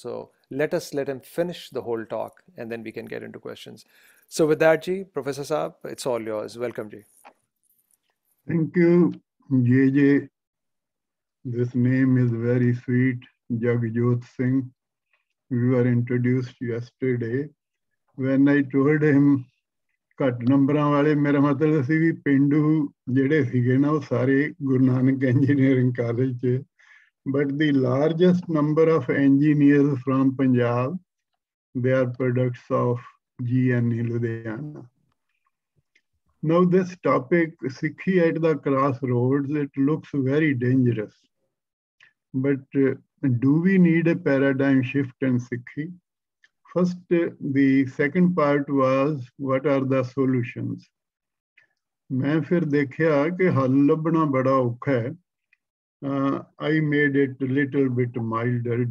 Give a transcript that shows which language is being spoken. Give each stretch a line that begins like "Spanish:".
English: So let us let him finish the whole talk and then we can get into questions. So with that, Ji, Professor Saab, it's all yours. Welcome, Ji. Thank you, JJ. This name is very sweet. Jagjot Singh, we were introduced yesterday. When I told him
Punjabi: ਘੱਟ ਨੰਬਰਾਂ ਵਾਲੇ, ਮੇਰਾ ਮਤਲਬ ਸੀ ਵੀ ਪੇਂਡੂ ਜਿਹੜੇ ਸੀਗੇ ਨਾ ਉਹ ਸਾਰੇ ਗੁਰੂ ਨਾਨਕ ਇੰਜੀਨੀਅਰਿੰਗ ਕਾਲਜ 'ਚ,
English: But the largest number of engineer from Punjab, they are products of GNE Ludhiana. Now this topic Sikhi at the crossroads, it looks very dangerous, but Do we need a paradigm shift in Sikhi? First, the second part was, what are the solutions?
Punjabi: Main fir dekhya ke hal labna bada aukha hai.
English: I made it a little bit milder.